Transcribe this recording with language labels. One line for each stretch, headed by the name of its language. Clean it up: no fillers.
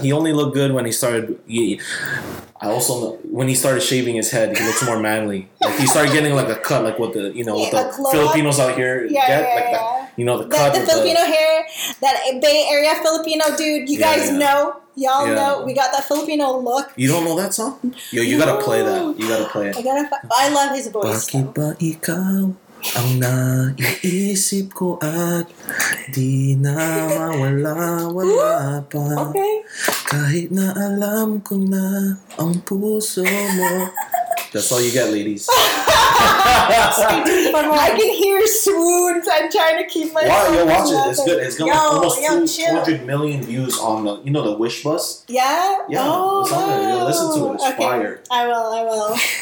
English: He only looked good when he started... when he started shaving his head, he looks more manly. Like, he started getting, like, a cut, like, what the, you know, what the Filipinos out here get. Yeah, like yeah. The, you know, the cut. The Filipino hair, that Bay Area Filipino dude, you guys know. Y'all know. We got that Filipino look. You don't know that song? Yo, you gotta play that. You gotta play it. I love his voice,
Filipino: Bakit ba ikaw ang naiisip ko at di na mawala-wala pa. Kahit na alam ko na ang puso mo.
English: That's all you get, ladies. I can hear swoons. I'm trying to keep my swoons. Yo, watch it. It's good. It's got almost 200 million views on the, you know, the Wish Bus? Yeah? Yeah. Oh, it's on there. You listen to it. It's okay. Fire. I will.